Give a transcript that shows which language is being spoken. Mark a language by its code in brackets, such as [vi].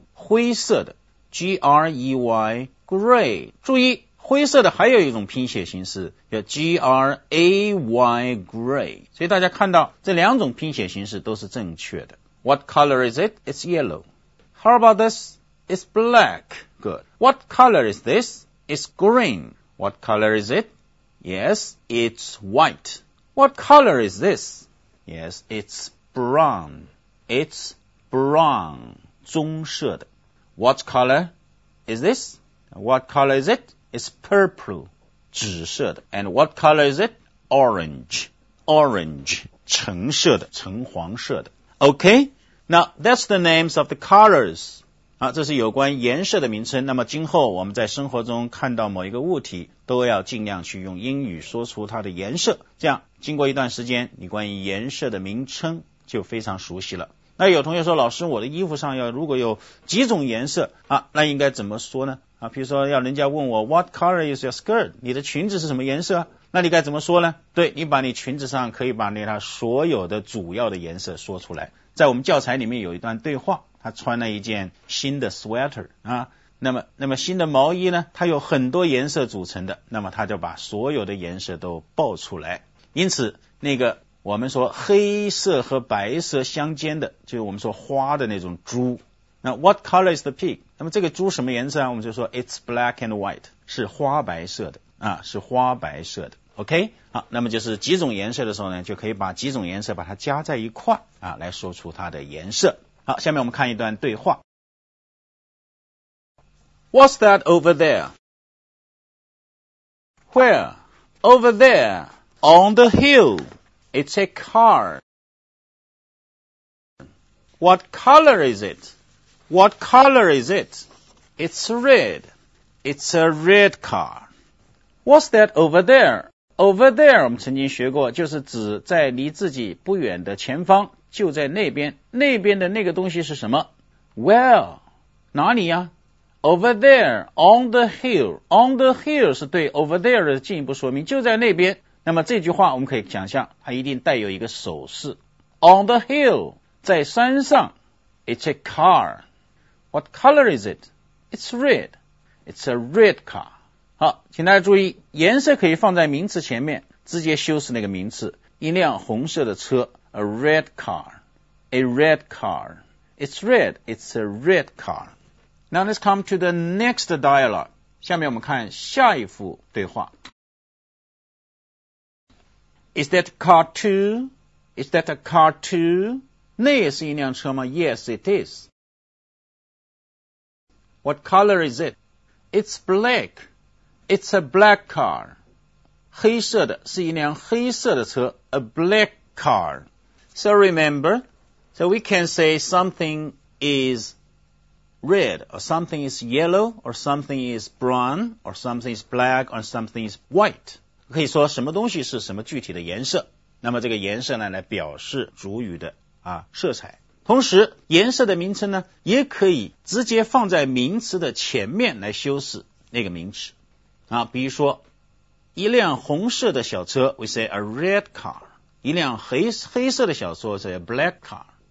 [zh] 灰色的 ,G-R-E-Y, gray. 注意灰色的还有一种拼写形式叫 G-R-A-Y gray 所以大家看到这两种拼写形式都是正确的 What color is it? [en] It's yellow How about this? It's black Good What color is this? It's green What color is it? Yes, it's white What color is this? Yes, it's brown It's brown 棕色的 What color is this? What color is it? It's purple, 紫色的。 And what color is it? Orange, orange, 橙色的,橙黄色的。 Okay, now that's the names of the colors. [zh] 啊，这是有关颜色的名称。那么今后我们在生活中看到某一个物体，都要尽量去用英语说出它的颜色。这样，经过一段时间，你关于颜色的名称就非常熟悉了。那有同学说，老师，我的衣服上要如果有几种颜色啊，那应该怎么说呢？啊，比如说要人家问我 What color is your skirt? 你的裙子是什么颜色？那你该怎么说呢？对，你把你裙子上可以把那它所有的主要的颜色说出来。在我们教材里面有一段对话，他穿了一件新的 sweater 啊，那么新的毛衣呢，它有很多颜色组成的，那么他就把所有的颜色都爆出来。因此那个。我们说黑色和白色相间的就是我们说花的那种珠那 what color is the pig 那么这个珠什么颜色啊我们就说 it's black and white 是花白色的啊，是花白色的 OK 好，那么就是几种颜色的时候呢就可以把几种颜色把它加在一块啊，来说出它的颜色好，下面我们看一段对话 What's that over there? [en] Where? Over there on the hillIt's a car. What color is it? What color is it? It's red. It's a red car. What's that over there? [zh] Over there, 我们曾经学过，就是指在离自己不远的前方，就在那边。那边的那个东西是什么 [en] ？Well, [zh] 哪里呀 ？ Over there, on the hill. On the hill 是对 over there 的进一步说明，就在那边。那么这句话我们可以想象，它一定带有一个手势。 On the hill, 在山上。 [en] It's a car. What color is it? It's red. It's a red car. [zh] 好，请大家注意，颜色可以放在名词前面，直接修饰那个名词。一辆红色的车 ，a red car. [en] A red car. It's red. It's a red car. Now let's come to the next dialogue. [zh] 下面我们看下一幅对话。 [en] Is that a car too? Is that a car too? [zh] 那也是一辆车吗 ? Yes, it is. [en] What color is it? It's black. It's a black car. [zh] 黑色的是一辆黑色的车 ,a black car. [en] So remember, so we can say something is red, or something is yellow, or something is brown, or something is black, or something is white. [zh] 可以说什么东西是什么具体的颜色。那么这个颜色呢来表示主语的啊，色彩。同时，颜色的名称呢，也可以直接放在名词的前面来修饰那个名词。啊，比如说，一辆红色的小车 ， we say a red car； 一辆黑色的小车 ， say a black car。